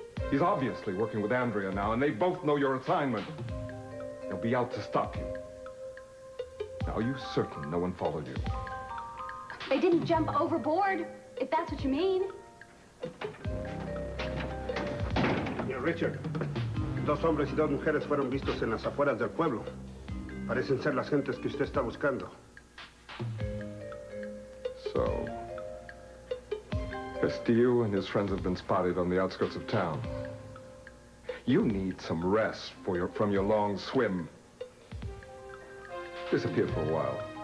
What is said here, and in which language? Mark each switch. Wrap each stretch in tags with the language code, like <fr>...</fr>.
<en>He's obviously working with Andrea now, and they both know your assignment. They'll be out to stop you. Now, are you certain no one followed you? They didn't jump overboard, if that's what you mean. Yeah, Richard.</en> <es>Dos hombres y dos mujeres fueron vistos en las afueras del pueblo. Parecen ser las gentes que usted está buscando.</es> <en>So, Castillo and his friends have been spotted on the outskirts of town. You need some rest from your long swim. Disappear for a while.</en>